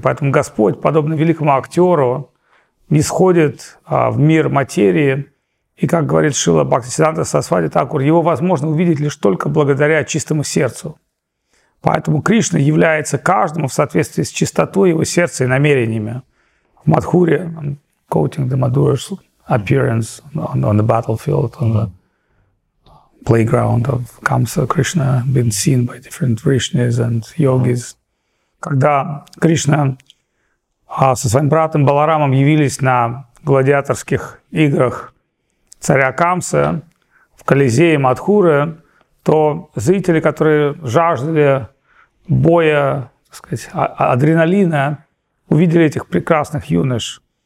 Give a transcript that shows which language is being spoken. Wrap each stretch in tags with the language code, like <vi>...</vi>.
<ru>Поэтому Господь, подобно великому актеру, нисходит в мир материи. И как говорит Шрила Бхактисиддханта Сарасвати Такур, его возможно увидеть лишь только благодаря чистому сердцу. Поэтому Кришна является каждому в соответствии с чистотой его сердца и намерениями. В Мадхуре,</ru> <en>quoting the Madhura's appearance on the battlefield, on the playground of Kamsa, Krishna been seen by different Rishnis and yogis.</en> <ru>Когда Кришна со своим братом Баларамом явились на гладиаторских играх царя Камса в Колизее Мадхуры, то зрители, которые жаждали боя, так сказать, адреналина, увидели этих прекрасных юнош.</ru>